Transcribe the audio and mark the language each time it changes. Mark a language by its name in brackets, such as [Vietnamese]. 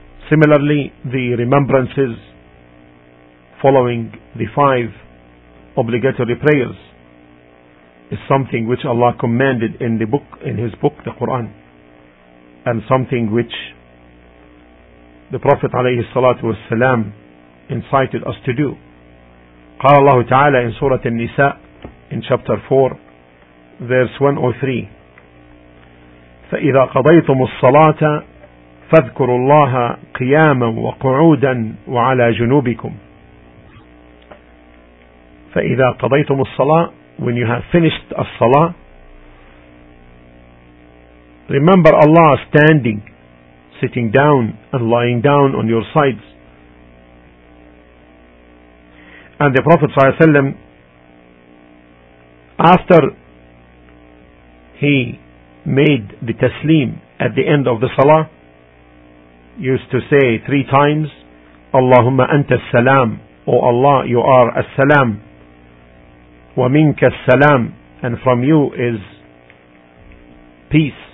[English] Similarly, the remembrances following the 5 obligatory prayers is something which Allah commanded in his book, the Quran, and something which the Prophet عليه الصلاة والسلام incited us to do. [Arabic] قال الله تعالى [English] in Surah An-Nisa in chapter 4 verse 103, [Arabic] فَإِذَا قَضَيْتُمُ الصَّلَاةَ فَاذْكُرُوا اللَّهَ قِيَامًا وَقُعُودًا وَعَلَى جُنُوبِكُمْ. فَإِذَا قَضَيْتُمُ الصَّلَاةَ, [English] when you have finished as-salah, remember Allah standing, sitting down and lying down on your sides. And the Prophet ﷺ, after he made the taslim at the end of the salah, used to say 3 times, [Arabic] Allahumma anta as-salam, [English] O Allah, you are as-salam, [Arabic] wa minka as-salam, [English] and from you is peace.